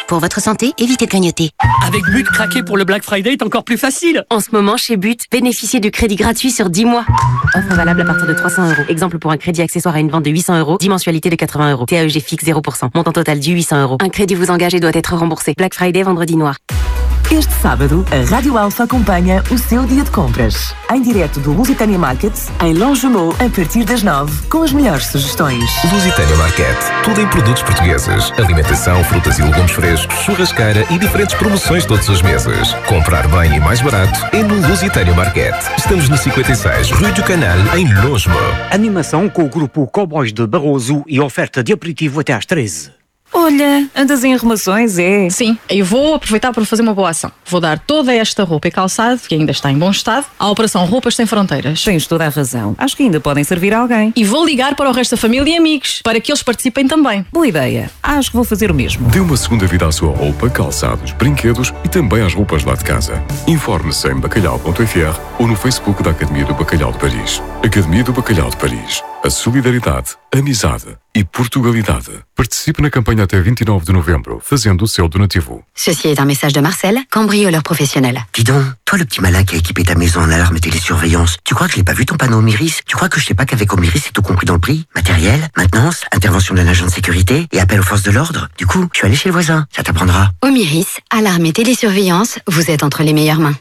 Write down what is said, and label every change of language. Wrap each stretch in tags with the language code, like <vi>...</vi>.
<fr>Pour votre santé, évitez de grignoter. Avec But, craquer pour le Black Friday est encore plus facile. En ce moment, chez But, bénéficiez du crédit gratuit sur 10 mois. Offre valable à partir de 300 euros. Exemple pour un crédit accessoire à une vente de 800 euros, 10 mensualités de 80 euros. TAEG fixe 0%. Montant total du 800 euros. Un crédit vous engagé doit être remboursé. Black Friday, vendredi noir.</fr> <pt>Este sábado, a Rádio Alfa acompanha o seu dia de compras. Em direto do Lusitânia Market, em Longjumeau, a partir das 9, com as melhores sugestões. Lusitânia Market. Tudo em produtos portugueses. Alimentação, frutas e legumes frescos, churrasqueira e diferentes promoções todos os meses. Comprar bem e mais barato é no Lusitânia Market. Estamos no 56, Rue du Canal, em Longjumeau. Animação com o grupo Cowboys de Barroso e oferta de aperitivo até às 13. Olha, andas em arrumações, é? Sim, eu vou aproveitar para fazer uma boa ação. Vou dar toda esta roupa e calçado, que ainda está em bom estado, à Operação Roupas Sem Fronteiras. Tens toda a razão. Acho que ainda podem servir a alguém. E vou ligar para o resto da família e amigos, para que eles participem também. Boa ideia. Acho que vou fazer o mesmo. Dê uma segunda vida à sua roupa, calçados, brinquedos e também às roupas lá de casa. Informe-se em bacalhau.fr ou no Facebook da Academia do Bacalhau de Paris. Academia do Bacalhau de Paris. A solidariedade, amizade e Portugalidade. Participe na campanha até 29 de novembro, fazendo o seu donativo.</pt> <fr>Ceci est un message de Marcel, cambrioleur professionnel. Dis donc, toi le petit malin qui a équipé ta maison en alarme et télésurveillance, tu crois que je n'ai pas vu ton panneau Omiris? Tu crois que je ne sais pas qu'avec Omiris c'est tout compris dans le prix? Matériel, maintenance, intervention d'un agent de sécurité et appel aux forces de l'ordre? Du coup, je suis allé chez le voisin, ça t'apprendra. Omiris, alarme et télésurveillance, vous êtes entre les meilleures mains.</fr>